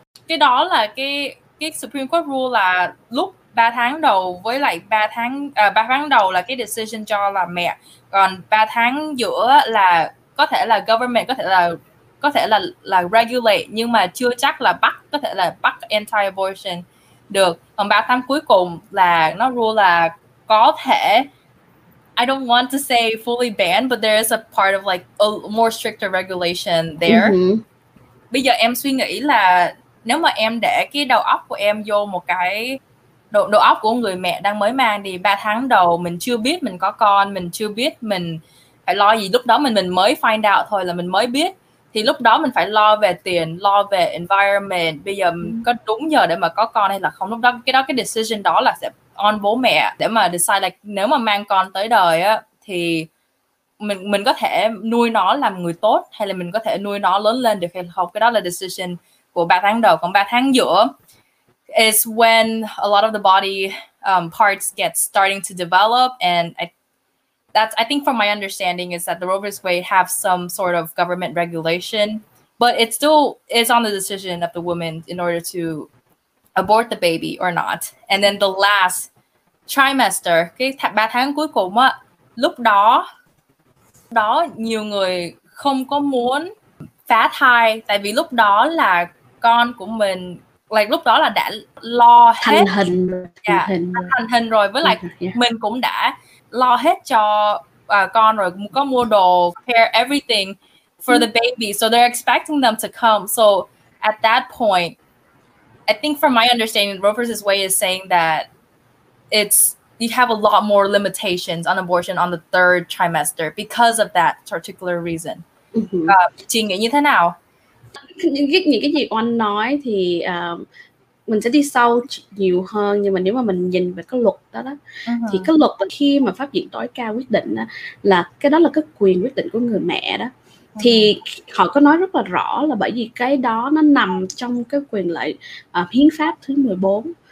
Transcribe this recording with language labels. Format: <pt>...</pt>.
<vi>Cái đó là cái Supreme Court rule là lúc 3 tháng đầu với lại 3 tháng đầu là cái decision cho là mẹ, còn 3 tháng giữa là có thể là government, có thể là regulate, nhưng mà chưa chắc là bắt, có thể là bắt anti-abortion được. Còn 3 tháng cuối cùng là nó rule là có thể</vi> <en>I don't want to say fully banned, but there is a part of like a more stricter regulation there. Mm-hmm.</en> <vi>Bây giờ em suy nghĩ là nếu mà em để cái đầu óc của em vô một cái đầu óc của người mẹ đang mới mang thì 3 tháng đầu mình chưa biết mình có con, mình chưa biết mình phải lo gì, lúc đó mình mới</vi> <en>find out</en> <vi>thôi, là mình mới biết. Thì lúc đó mình phải lo về tiền, lo về environment, bây giờ có đúng giờ để mà có con hay là không. Lúc đó cái decision đó là sẽ on bố mẹ để mà decide là nếu mà mang con tới đời á, thì mình có thể nuôi nó làm người tốt hay là mình có thể nuôi nó lớn lên được hay không. Cái đó là decision của 3 tháng đầu. Còn 3 tháng giữa</vi> <en>is when a lot of the body parts get starting to develop, and I think from my understanding is that the Roe v. Wade have some sort of government regulation, but it still is on the decision of the woman in order to abort the baby or not. And then the last trimester,</en> <vi>cái 3 tháng cuối cùng á, lúc đó nhiều người không có muốn phá thai, tại vì lúc đó là con của mình, like lúc đó là đã lo hết thành hình rồi, với lại mình cũng đã lo hết cho con rồi, có mua đồ,</vi> <en>prepare everything for the baby, so they're expecting them to come. So at that point, I think from my understanding, Roe v. Wade is saying that it's, you have a lot more limitations on abortion on the third trimester because of that particular reason.</en> <vi>Chị nghĩ như thế nào? Những cái gì anh nói thì mình sẽ đi sâu nhiều hơn, nhưng mà nếu mà mình nhìn về cái luật đó thì cái luật khi mà pháp viện tối cao quyết định đó, là cái đó là cái quyền quyết định của người mẹ đó. Thì họ có nói rất là rõ là bởi vì cái đó nó nằm trong cái quyền lợi hiến pháp thứ 14.</vi>